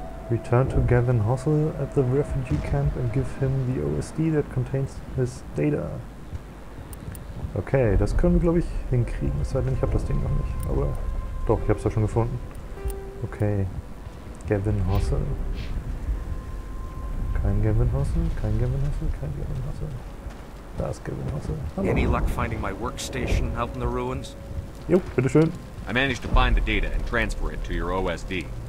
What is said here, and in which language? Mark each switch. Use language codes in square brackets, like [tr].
[en] Return to Gavin Hossel at the refugee camp and give him the OSD that contains his data. [de] Okay, das können wir, glaube ich, hinkriegen. Es sei denn, ich habe das Ding noch nicht. Aber doch, ich habe es ja schon gefunden. Okay. Gavin Hossel. Kein Gavin Hossel, kein Gavin Hossel, kein Gavin Hossel. Da ist Gavin Hossel. Hallo. [en] Any luck finding my workstation out in the ruins? [de] Jo, bitteschön. [en] I managed to find the data and transfer it to your OSD.